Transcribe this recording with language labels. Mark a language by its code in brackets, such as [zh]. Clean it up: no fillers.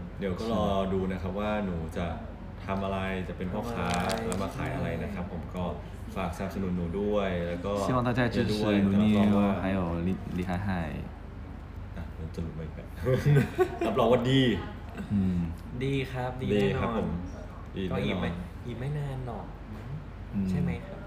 [th] เดี๋ยวก็รอดูนะครับว่าหนูจะทำอะไรจะเป็นพ่อค้าแล้วมาขายอะไรนะครับผมก็ฝากสนับสนุนหนูด้วยแล้วก็ [zh] 希望大家支持努力哦，还有李海海。 [th] 啊，หนูจะรู้ไหมครับรับรองว่าดี ดีครับดีครับผม ดีแน่นอน ก็อีกไม่นานหรอกใช่ไหมครับ